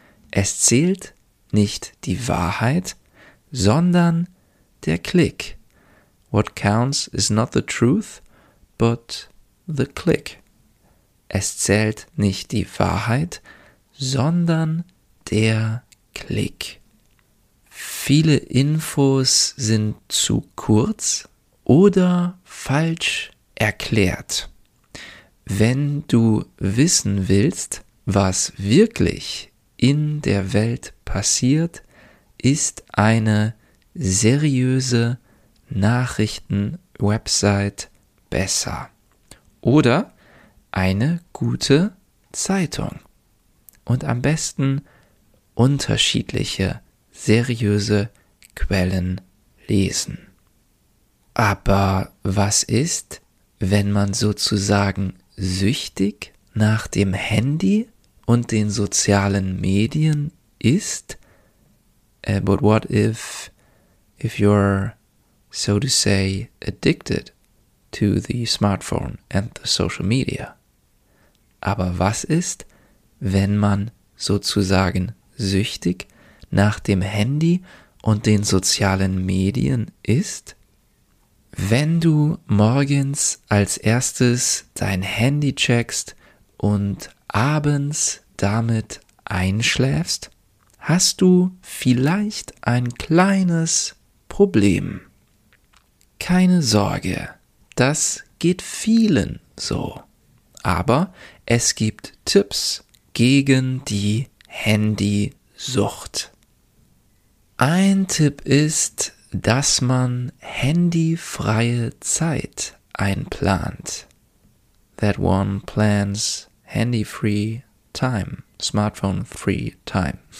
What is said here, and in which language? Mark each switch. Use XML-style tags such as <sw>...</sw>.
<de>Es zählt nicht die Wahrheit, sondern der Klick.</de> <en>What counts is not the truth, but the click.</en> <de>Es zählt nicht die Wahrheit, sondern der Klick. Viele Infos sind zu kurz oder falsch erklärt. Wenn du wissen willst, was wirklich in der Welt passiert, ist eine seriöse Nachrichtenwebsite besser. Oder eine gute Zeitung. Und am besten unterschiedliche seriöse Quellen lesen. Aber was ist, wenn man sozusagen süchtig nach dem Handy und den sozialen Medien ist?</de> <en>But what if you're, so to say, addicted to the smartphone and the social media?</en> <de>Aber was ist, wenn man sozusagen süchtig nach dem Handy und den sozialen Medien ist? Wenn du morgens als erstes dein Handy checkst und abends damit einschläfst, hast du vielleicht ein kleines Problem. Keine Sorge, das geht vielen so. Aber es gibt Tipps gegen die Handysucht. Ein Tipp ist, dass man handyfreie Zeit einplant.</de> <en>That one plans handy-free time, smartphone-free time.</en>